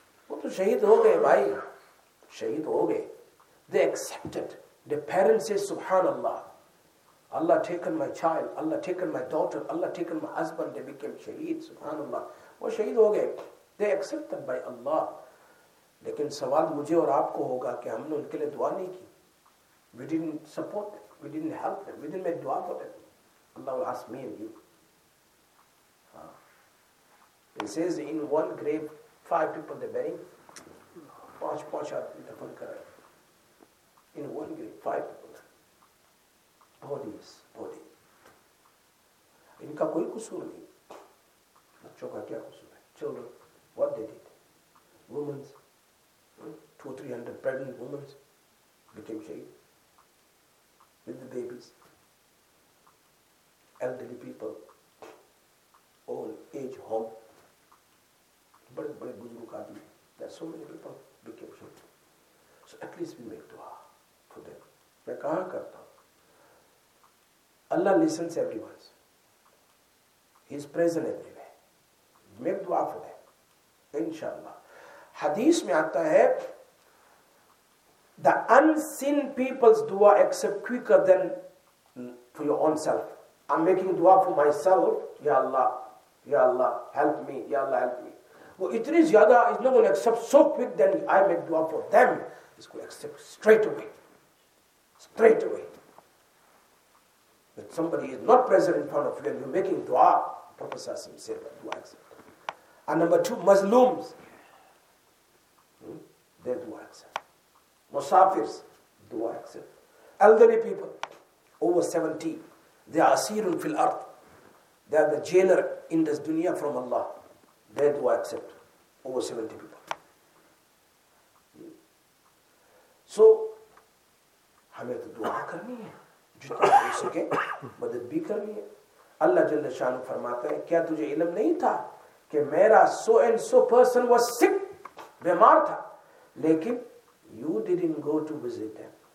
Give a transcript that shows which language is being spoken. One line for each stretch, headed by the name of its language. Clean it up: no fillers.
Urdu: وہ تو شہید ہو گئے بھائی, شہید ہو گئے,
English: They expected, the parents سے سبحان اللہ, Allah taken my child, Allah taken my daughter, Allah taken my husband, they became shaheed, subhanallah.
Urdu: وہ شہید ہو گئے,
English: they accepted by Allah.
Urdu: لیکن سوال مجھے اور آپ کو ہوگا کہ ہم نے ان کے لئے دعا نہیں کی,
English: we didn't support them, we didn't help them, we didn't make دعا for them. Allah will ask me and you. He says in one grave, five people they bury,
Urdu: پانچ پانچ آدمی دفن کر رہے,
English: in one grave, five people. Bodies, body.
Urdu: ان کا کوئی قصور نہیں, بچوں کا کیا قصور ہے,
English: children, what they did, women, 200-300 pregnant women became shaheed with the babies, elderly people, old age home,
Urdu: بڑے بڑے بزرگ آدمی,
English: there are so many people became shaheed. So at least we make dua for them.
Urdu: میں کہا کرتا ہوں,
English: Allah listens everyone. He is present everywhere. Make dua for them. Inshallah.
Urdu: Hadith mein aata hai,
English: the unseen people's dua accept quicker than for your own self. I'm making dua for myself. Ya Allah. Ya Allah. Help me. Ya Allah. Help me.
Urdu: Wo itni zyada
English: is not going to accept so quick than I make dua for them. It's going to accept straight away. Straight away. But somebody is not present in front of you and you're making dua, Prophet Sassim said that dua accept. And number two, Muslims, they dua accept. Musafirs, dua accept. Elderly people, over 70, they are asirun fil ard. They are the jailer in this dunya from Allah. They dua accept, over 70 people.
Urdu: So, ہمیں تو دعا کرنی ہے. جتنا ہو سکے مدد بھی کرنی ہے. اللہ جل شانہ فرماتا ہے, کیا تجھے علم نہیں تھا کہ میرا
English: so and so person was sick,
Urdu: بیمار تھا, لیکن
English: You didn't go to visit them.